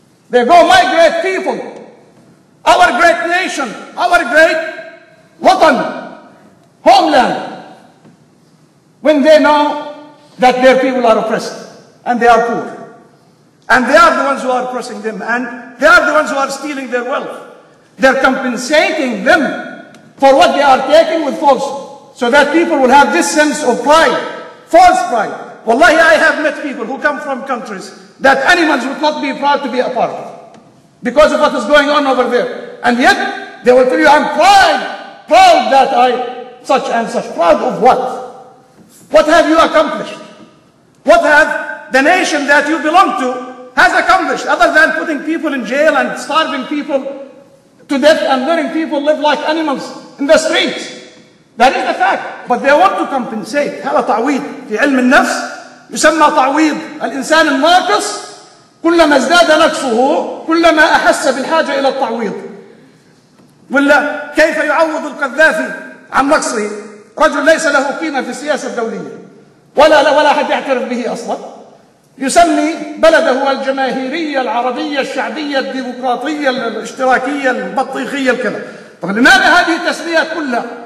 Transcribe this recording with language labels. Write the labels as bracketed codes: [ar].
[en] they go my great people Our great nation, our great وطن, homeland, when they know that their people are oppressed and they are poor, and they are the ones who are oppressing them, and they are the ones who are stealing their wealth. They're compensating them for what they are taking with falsehood, so that people will have this sense of pride, false pride. Wallahi, I have met people who come from countries that animals would not be proud to be a part of. Because of what is going on over there. And yet, they will tell you, I'm proud that I, such and such. Proud of what? What have you accomplished? What have the nation that you belong to has accomplished, other than putting people in jail and starving people to death and letting people live like animals in the streets? That is the fact. But they want to compensate. [ar] هذا تعويض في علم النفس يسمى تعويض الإنسان الناقص كلما ازداد نقصه كلما أحس بالحاجة إلى التعويض ولا كيف يعوض القذافي عن نقصه رجل ليس له قيمة في السياسة الدولية ولا أحد يعترف به أصلا يسمي بلده الجماهيرية العربية الشعبية الديمقراطية الاشتراكية البطيخية الكذا طب لماذا هذه التسمية كلها